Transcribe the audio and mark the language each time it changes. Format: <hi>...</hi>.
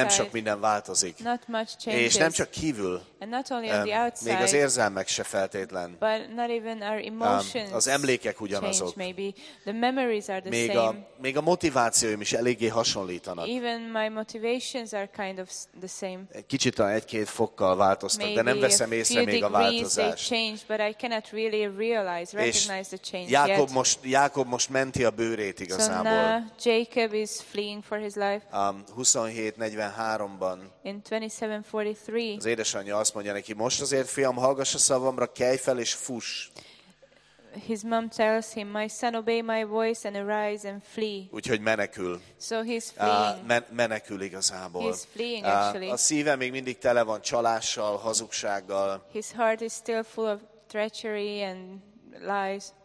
<hu>nem sok minden változik.</hu> <en>Not much changes.</en> <hu>És nem csak kívül,</hu> <en>and not only on the outside,</en> <hu>még az érzelmek se feltétlen.</hu> <en>But not even our</en> <hu>az emlékek ugyanazok.</hu> <en>The memories are the</en> <hu>még</hu> <en>same.</en> <hu>Még a motivációim is eléggé hasonlítanak.</hu> <en>Even my motivations are kind of the same.</en> <hu>Kicsit a 1-2 fokkal változtak,</hu> <en>maybe</en> <hu>de nem veszem észre még a változást.</hu> <en>Change, but I cannot really realize, recognize the change.</en> <hu>Jákob most menti a bőrét igazából.</hu> <en>So now Jacob is fleeing for his life.</en> <hu>27:43-ban.</hu> <en>In 27:43.</en> <hu>Az édesanyja azt mondja neki, most azért fiam, hallgass a szavamra, kelj fel és fuss.</hu> <en>His mom tells him, my son, obey my voice and arise and flee.</en> <hu>Úgyhogy menekül.</hu> <en>So he's fleeing.</en> <hu>Menekül igazából.</hu> <en>He's fleeing actually.</en> <hu>A szíve még mindig tele van csalással, hazugsággal.</hu> <en>His heart is still full of treachery and lies.</en>